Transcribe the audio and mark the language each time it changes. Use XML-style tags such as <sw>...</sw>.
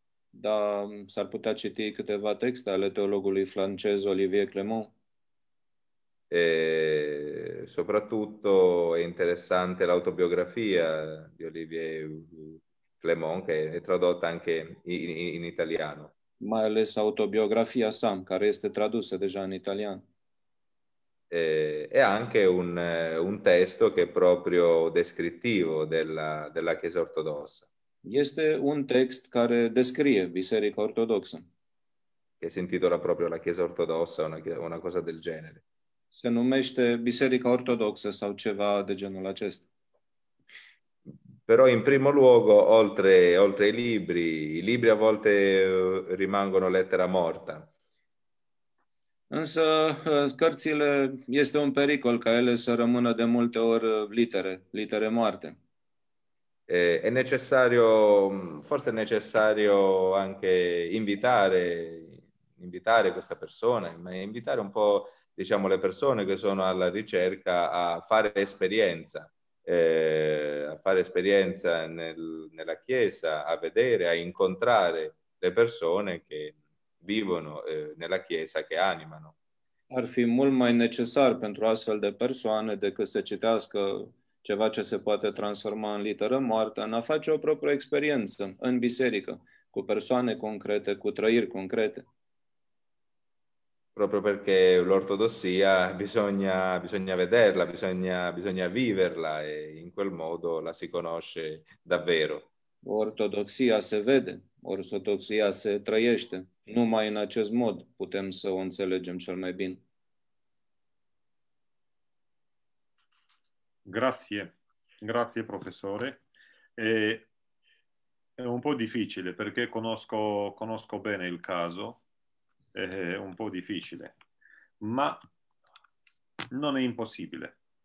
<ro>Da, s-ar putea citi câteva texte ale teologului francez Olivier Clément.</ro> <it>E soprattutto è interessante l'autobiografia di Olivier Clément, che è tradotta anche in italiano.</it> <ro>Mai ales autobiografia sa, care este tradusă deja în italian.</ro> <it>E anche un testo che è proprio descrittivo della Chiesa Ortodossa.</it> <ro>Este un text care descrie Biserica Ortodoxă.</ro> <it>Che si intitola proprio la Chiesa Ortodossa, una cosa del genere.</it> <ro>Se numește Biserica Ortodoxă sau ceva de genul acesta.</ro> <it>Però in primo luogo, oltre ai libri, i libri a volte rimangono lettera morta.</it> <ro>Însă cărțile este un pericol ca ele să rămână de multe ori litere moarte.</ro> <it>È necessario, forse è necessario anche invitare questa persona, ma invitare un po', diciamo, le persone che sono alla ricerca a fare esperienza. A fare esperienza nella Chiesa, a vedere, a incontrare le persone che vivono nella Chiesa, che animano.</it> <ro>Ar fi mult mai necesar pentru astfel de persoane decât să citească ceva ce se poate transforma în literă moartă, în a face o proprie experiență în biserică, cu persoane concrete, cu trăiri concrete.</ro> <it>Proprio perché l'ortodossia bisogna vederla, bisogna viverla e in quel modo la si conosce davvero.</it> <ro>Ortodossia se vede, ortodossia se trăiește. Numai în acest mod putem să o înțelegem cel mai bine.</ro> <it>Grazie, grazie professore. È un po' difficile perché conosco bene il caso. È un po' difficile, ma non è impossibile.</it>